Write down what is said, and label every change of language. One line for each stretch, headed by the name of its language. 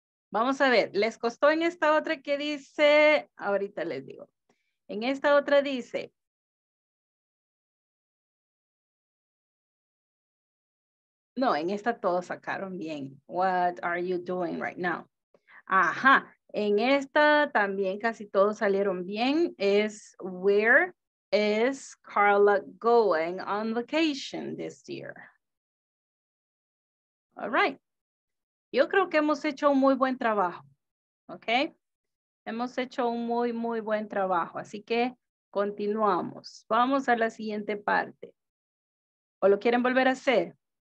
Spanish: Vamos a ver, ¿les costó en esta otra que dice? Ahorita les digo. En esta otra dice, no, en esta todos sacaron bien.
English: What are you doing right now?
Spanish: Ajá, en esta también casi todos salieron bien.
English: Es, where is Carla going on vacation this year? All right.
Spanish: Yo creo que hemos hecho un muy buen trabajo, ¿ok? Hemos hecho un muy, muy buen trabajo. Así que continuamos. Vamos a la siguiente parte. ¿O lo quieren volver a hacer?